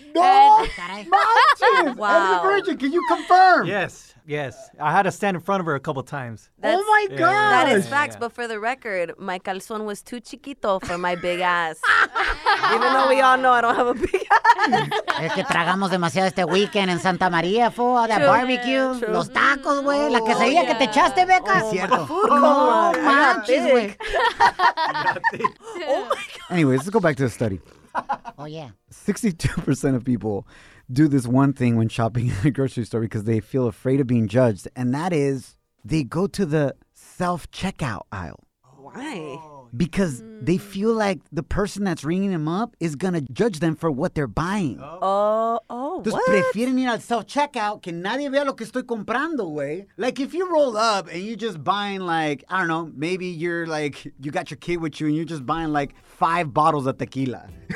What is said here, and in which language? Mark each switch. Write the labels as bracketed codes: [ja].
[en] No! Wow. Eddie the Virgin, can you confirm? Yes. Yes. I had to stand in front of her a couple times. That's, oh, my God. Yeah. That is facts. Yeah. But for the record, my calzón was too chiquito for my big ass. Even though we all know I don't have a big ass. [es] Es que tragamos demasiado este weekend en Santa María, fo. [en] All that barbecue. True. [es] Los tacos, güey. Oh, la quesadilla que te echaste, Becca. Es cierto. [en] Oh, my God. Anyways, let's go back to the study. Oh, yeah. 62% of people do this one thing when shopping at a grocery store because they feel afraid of being judged, and that is they go to the self-checkout aisle. Why? Because they feel like the person that's ringing them up is going to judge them for what they're buying. [es] Entonces, what? Prefieren ir al self-checkout que nadie vea lo que estoy comprando, güey. [en] Like, if you roll up and you're just buying, like, I don't know, maybe you're, like, you got your kid with you and you're just buying, like, 5 bottles of tequila.